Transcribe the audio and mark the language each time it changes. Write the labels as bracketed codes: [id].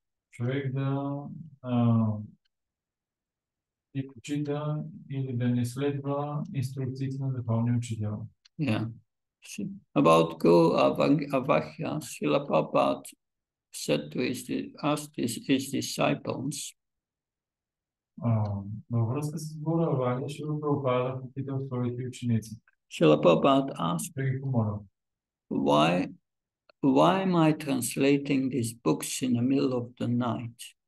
[bg] Човек да не почита или да не следва инструкциите на духовния учител. [en] Yeah. About Guru Avakya, Srila Prabhupada said to his disciples. [bg] Във връзка с Guru Avakya, Srila Prabhupada попитал своите ученици. [en] Srila Prabhupada asked, Why am I translating these books in the middle of the night?